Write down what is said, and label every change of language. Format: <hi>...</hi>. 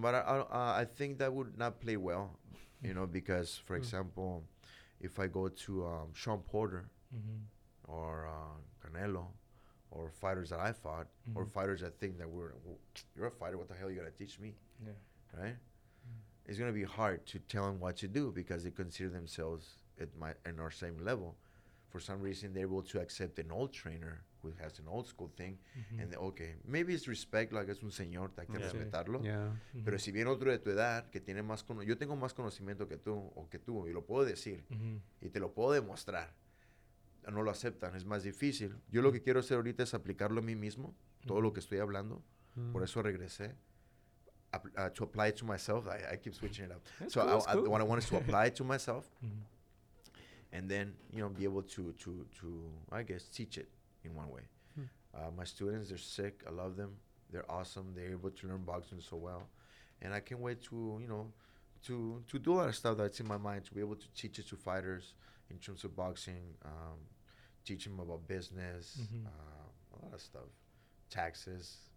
<en>But I think that would not play well, you know, because, for example, if I go to Sean Porter or Canelo or fighters that I fought or fighters that think that you're a fighter, what the hell are you going to teach me? Yeah. Right? Mm-hmm. It's going to be hard to tell them what to do because they consider themselves in our same level. For some reason, they're able to accept an old trainer who has an old school thing, and okay, maybe it's respect, like</en> <es>es un señor, hay que respetarlo.</es> <en>Yeah.</en> <es>Pero si viene otro de tu edad que tiene más yo tengo más conocimiento que tú o que tú y lo puedo decir y te lo puedo demostrar, no lo aceptan, es más difícil. Yo lo que quiero hacer ahorita es aplicarlo a mí mismo, todo lo que estoy hablando, por eso regresé.</es> <en>To apply it to myself, I keep switching it up. What I want is to apply it to myself, and then be able to I guess teach it. In one way, my students, they're sick. I love them. They're awesome. They're able to learn boxing so well, and I can't wait to do a lot of stuff that's in my mind, to be able to teach it to fighters in terms of boxing, teach them about business, a lot of stuff, taxes.</en>